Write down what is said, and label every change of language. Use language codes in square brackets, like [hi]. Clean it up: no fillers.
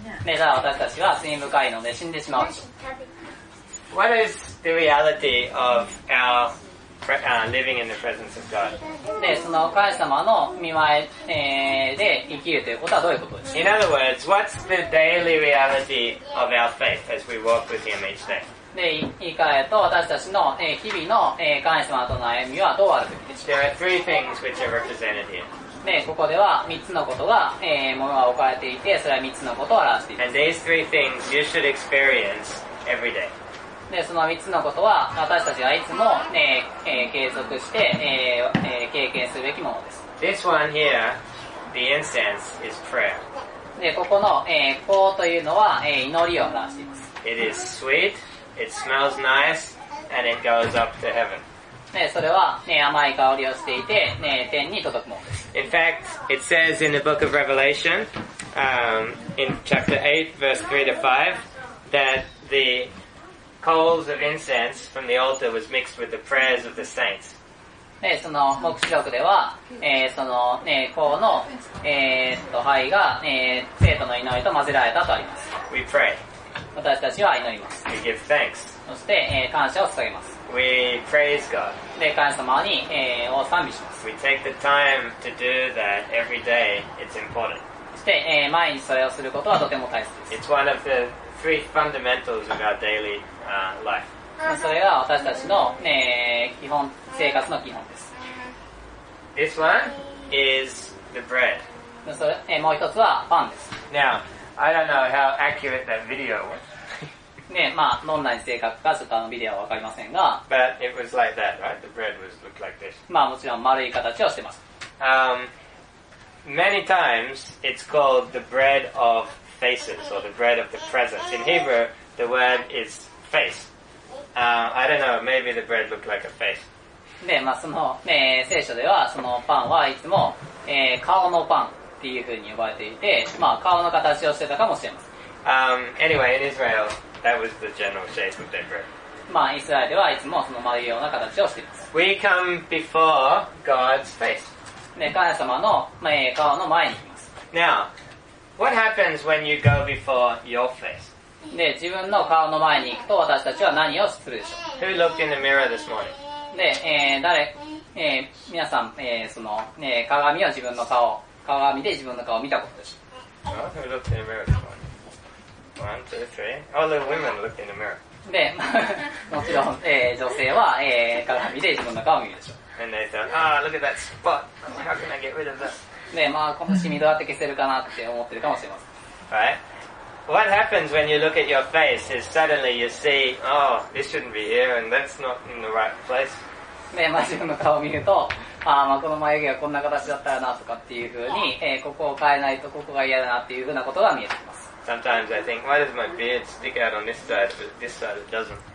[ja] で、ただ私たちは罪深いので死んでしまうでしょう。 [en] What is the reality of our living in the presence of God? [ja] で、その神様の御前、で生きるということはどういうことですか? [en] In other words, what's the daily reality of our faith as we walk with Him each day? [ja] で、言い換えると私たちの、日々の、神様との歩みはどうあるべきでしょう? [en] There are three things which are represented here. [ja] で、ここでは3つのことが、ものが置かれていて、それは3つのことを表しています。 [en] And these three things you should experience every day. [ja] で、その3つのことは私たちがいつも、継続して、経験すべきものです。 [en] This one here, the incense, is prayer. [ja] で、ここの、香というのは、祈りを表しています。 [en] It is sweet, it smells nice, and it goes up to heaven. [ja] で、それは、甘い香りをしていて、天に届くものです。 [en] In fact, it says in the book of Revelation, in chapter 8, verse 3 to 5, that the coals of incense from the altar was mixed with the prayers of the saints. [ja] で、その、黙示録では、その、香の、灰が、生徒の祈りと混ぜられたとあります。 [en] We pray. [ja] 私たちは祈ります。 [en] We give thanks. [ja] そして、感謝を捧げます。 [en] We praise God. [ja] で、神様に、を賛美します。 [en] We take the time to do that every day. It's important. [ja] で、毎日それをすることはとても大切です。 [en] It's one of the three fundamentals of our daily, life. [ja] それが私たちの、基本、生活の基本です。 [en] This one is the bread. [ja] それ、もう一つはパンです。 [en] Now, I don't know how accurate that video was. [ja] ね、まあ、どんなに正確か、ちょっとビデオはわかりませんが。 [en] But it was like that, right? The bread was looked like this. [ja] まあ、もちろん丸い形をしてます。 [en] Many times it's called the bread of faces or the bread of the presence. In Hebrew, the word is face. I don't know, maybe the bread looked like a face. [ja] で、まあ、その、聖書ではそのパンはいつも、顔のパンっていうふうに呼ばれていて、まあ、顔の形をしてたかもしれません。 [en] Anyway, in Israel, that was the general shape of their bread. [ja] まあ、イスラエルではいつもその丸いような形をしています。 [en] We come before God's face. [ja] ね、神様の、顔の前に行きます。 [en] Now, what happens when you go before your face? [ja] で、自分の顔の前に行くと私たちは何をするでしょう? [en] Who looked in the mirror this morning? で、誰、皆さん、その、鏡を自分の顔、鏡で自分の顔を見たことでしょう。 Who looked in the mirror this morning? One, two, three. All the women looked in the mirror. [ja] で、もちろん、女性は、鏡で自分の顔を見るでしょう。 [en] And they thought, ah,、oh, look at that spot. How can I get rid of that? [ja] ね、まあ、この染みどうやって消せるかなって思ってるかもしれません。 [en] Right? What happens when you look at your face is suddenly you see, oh, this shouldn't be here and that's not in the right place. [ja] ね、まあ、自分の顔を見ると、ああ、まあ、この眉毛がこんな形だったらなとかっていうふうに、ここを変えないとここが嫌だなっていうふうなことが見えてきます。 [en] Sometimes I think, why does my beard stick out on this side, but this side it doesn't?